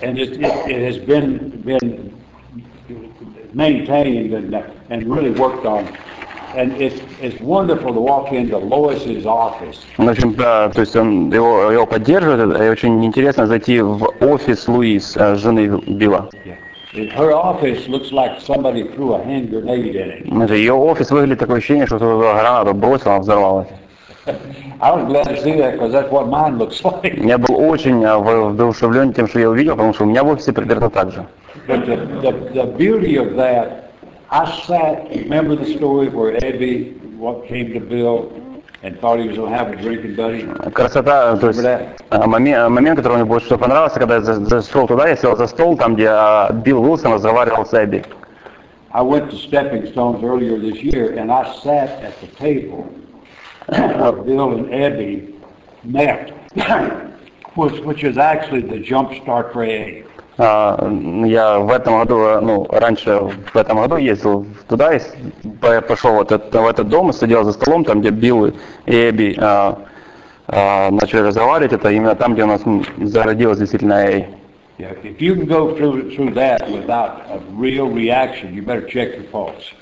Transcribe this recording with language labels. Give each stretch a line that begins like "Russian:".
English: And it has been maintained and really worked on. And it's wonderful to walk into Lois's office.
Russian: В общем, то есть он его поддерживает, и очень интересно зайти в офис Луис, жены Билла.
English: Her office looks like somebody threw a hand grenade in it.
Russian: Ее офис выглядит такое ощущение, что кто-то гранату бросил, она взорвалась.
English: I was glad to see that, because that's what mine looks like.
Russian: Я был очень воодушевлен тем, что я увидел, потому что у меня в офисе примерно так же.
English: But the beauty of that, I sat, remember the story where Abby came to Bill and thought he was going to have a drinking buddy?
Russian: Красота, то есть момент, который мне больше всего понравился, когда я зашел туда, я сел за стол, там, где Билл Уилсон разговаривал с Эбби.
English: I went to Stepping Stones earlier this year, and I sat at the table where Bill and Abby met, which is actually the jump start for AA.
Russian: Я в этом году, ну, раньше в этом году ездил туда и пошел в этот дом и сидел за столом, там, где Билл и Эбби начали разговаривать, это именно там, где у нас зародилась действительно AA.
English: Yeah, if you can go through that without a real reaction, you better check your pulse.